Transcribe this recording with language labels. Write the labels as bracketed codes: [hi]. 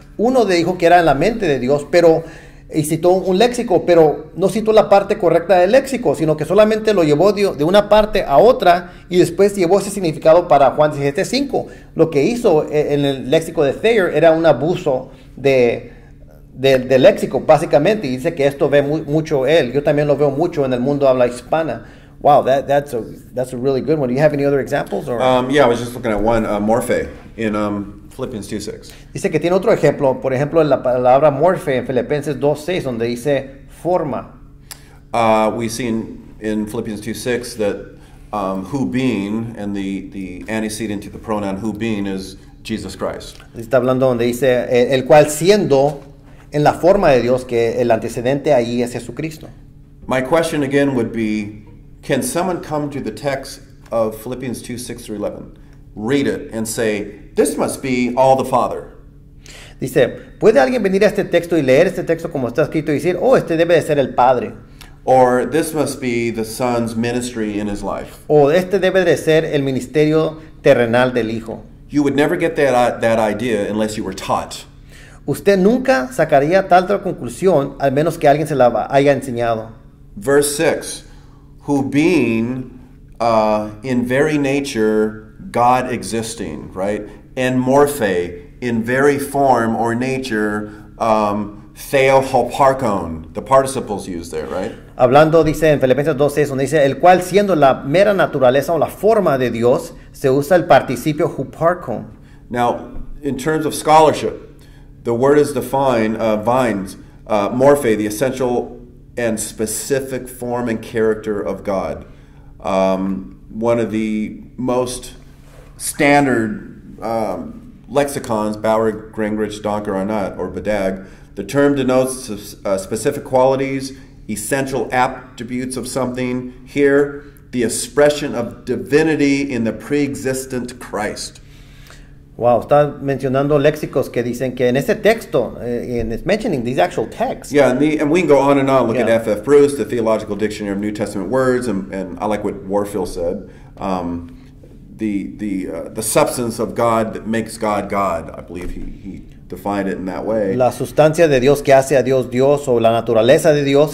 [es] Uno dijo que era en la mente de Dios, pero y citó un léxico, pero no citó la parte correcta del léxico, sino que solamente lo llevó de una parte a otra y después llevó ese significado para Juan 17:5. Lo que hizo en el léxico de Thayer era un abuso de léxico, básicamente. Y dice que esto ve mucho él. Yo también lo veo mucho en el mundo habla hispana. [en] Wow, that's a really good one. Do you have any other examples? Or? Yeah, I was just looking at one, morphe, in Philippians 2:6. [es] Dice que tiene otro ejemplo. Por ejemplo, la palabra morphe en Filipenses 2:6, donde dice forma. [en] We see in Philippians 2:6 that who being, and the antecedent to the pronoun who being is Jesus Christ. [es] Está hablando donde dice el cual siendo en la forma de Dios, que el antecedente ahí es Jesucristo. [en] My question again would be, can someone come to the text of Philippians 2:6 through 11, read it, and say, this must be all the Father? [es] Dice, ¿puede alguien venir a este texto y leer este texto como está escrito y decir, oh, este debe de ser el Padre? [en] Or, this must be the Son's ministry in his life. [es] O este debe de ser el ministerio terrenal del Hijo. [en] You would never get that idea unless you were taught. [es] Usted nunca sacaría tal conclusión al menos que alguien se la haya enseñado. [en] Verse 6. Who being in very nature God existing, right? En morphe, in very form or nature, theo hoparkon, the participles used there, right? [es] Hablando, dice en Filipenses 2:6, donde dice, el cual siendo la mera naturaleza o la forma de Dios, se usa el participio hoparkon. [en] Now, in terms of scholarship, the word is defined, vines, morphe, the essential and specific form and character of God. One of the most standard lexicons, Bauer, Gingrich, Donker, Arnott, or Badag, the term denotes specific qualities, essential attributes of something. Here, the expression of divinity in the pre-existent Christ. [es] Wow, está mencionando léxicos que dicen que en este texto, [en] and it's mentioning these actual texts. Yeah, and we can go on and on. Look at F.F. Bruce, the Theological Dictionary of New Testament Words, and I like what Warfield said. The substance of God that makes God God, I believe he defined it in that way. [es] La sustancia de Dios que hace a Dios Dios, o la naturaleza de Dios.